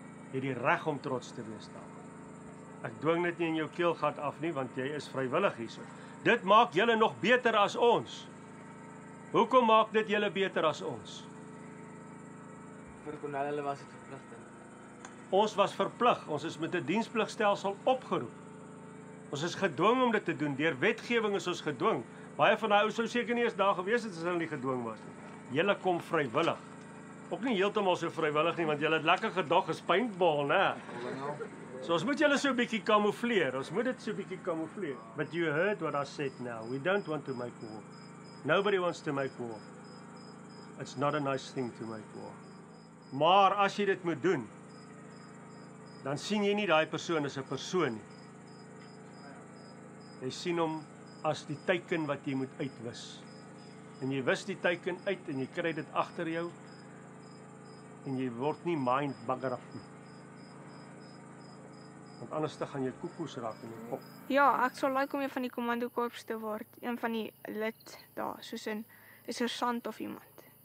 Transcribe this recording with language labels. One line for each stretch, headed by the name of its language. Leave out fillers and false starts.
Afrikaans: Het die reg om trots te wees daar. Ek dwing dit nie in jou keelgat af nie, want jy is vrywillig hierso. Dit maak julle nog beter as ons. Hoekom maak dit julle beter as ons? Vir konel hulle was het verplig. Ons was verplig. Ons is met die diensplikstelsel opgeroep. Ons is gedwong om dit te doen. Deur wetgewing is ons gedwong. Baie van die ouers sou seker nie eens daar gewees het as hulle nie gedwong was. Julle kom vrywillig. Ook nie heeltemal so vrywillig nie, want julle het lekker gedag as paintball, né? So ons moet julle so bietjie kamoufleer. Ons moet dit so bietjie kamoufleer.
English: But you heard what I said now. We don't want to make war. Nobody wants to make war. It's not a nice thing to make war.
Afrikaans: Maar as jy dit moet doen, dan sien jy nie daai persoon as 'n persoon nie. Jy sien hom as die teiken wat jy moet uitwis. En jy wis die teiken uit en jy kry dit agter jou en jy word nie mind baggerig nie. Want anders te gaan jy koekoes raak in jou kop. Ja, ek sou like om een van die commando korps te word, een van die lid daar, soos in is er sand of iemand.